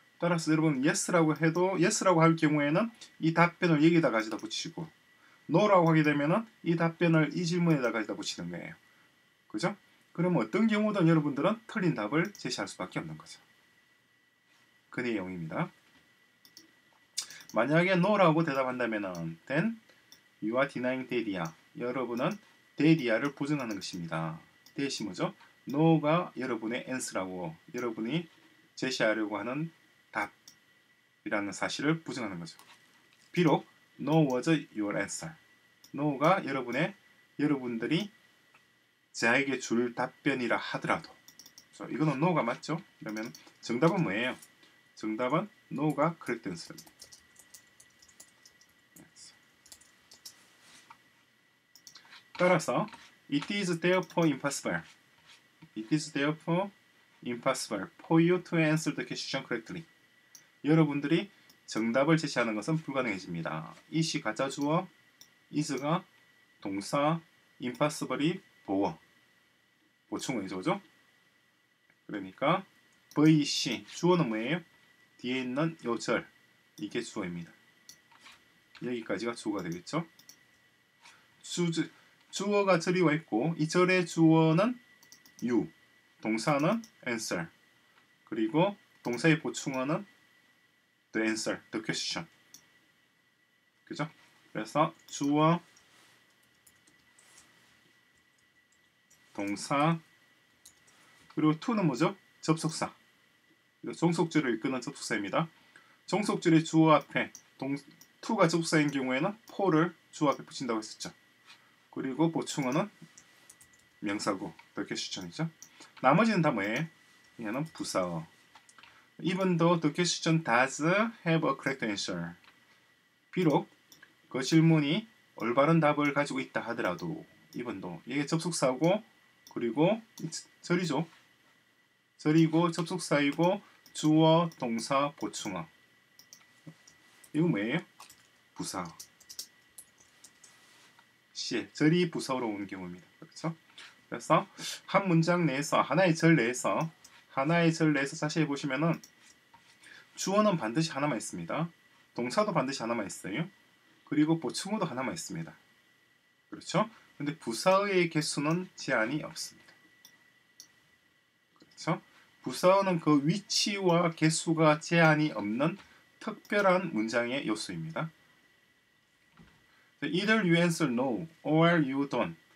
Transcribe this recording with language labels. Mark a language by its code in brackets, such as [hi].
[ko] 따라서 여러분 yes라고 해도 yes라고 할 경우에는 이 답변을 여기다 가져다 붙이시고 no라고 하게 되면은 이 답변을 이 질문에다 가져다 붙이는 거예요. 그죠? 그럼 어떤 경우든 여러분들은 틀린 답을 제시할 수밖에 없는 거죠. 그 내용입니다. 만약에 no라고 대답한다면은 [en] then you are denying daddy야. [ko] 여러분은 daddy야를 부정하는 것입니다. 대신 뭐죠? no가 여러분의 answer라고 여러분이 제시하려고 하는 답이라는 사실을 부정하는 거죠. 비록 [en] no was your answer. [ko] no가 여러분들이 제에게 줄 답변이라 하더라도 그래서 이거는 no가 맞죠? 그러면 정답은 뭐예요? 정답은 no가 [en] correct answer [ko] 입니다. 따라서 [en] it is therefore impossible. it is therefore impossible for you to answer the question correctly. [ko] 여러분들이 정답을 제시하는 것은 불가능해집니다. is 가짜 주어, is가 동사, impossible이 보어. 보충어죠, 그죠? 그러니까 VC 주어는 뭐예요? 뒤에 있는 요절 이게 주어입니다. 여기까지가 주어가 되겠죠? 주어가 절이 와 있고 이 절의 주어는 you, 동사는 answer, 그리고 동사의 보충어는 the answer, the question, 그죠? 그래서 주어, 동사 그리고 to는 뭐죠? 접속사. 종속절을 이끄는 접속사입니다. 종속절의 주어 앞에 to가 접속사인 경우에는 for를 주어 앞에 붙인다고 했었죠. 그리고 보충어는 명사고, the question이죠. 나머지는 다 뭐예요? 얘는 부사어. [en] Even though the question does have a correct answer. [ko] 비록 그 질문이 올바른 답을 가지고 있다 하더라도, even though 이게 접속사고, 그리고 절이죠. 절이고 접속사이고 주어, 동사, 보충어. 이거 뭐예요? 부사어. 시에 절이 부사어로 온 경우입니다. 그렇죠? 그래서 한 문장 내에서 하나의 절 내에서 자세히 보시면은 주어는 반드시 하나만 있습니다. 동사도 반드시 하나만 있어요. 그리고 보충어도 하나만 있습니다. 그렇죠? 근데 부사어의 개수는 제한이 없습니다. 부사어는 그 위치와 개수가 제한이 없는 특별한 문장의 요소입니다. [en] Either you answer no or you don't.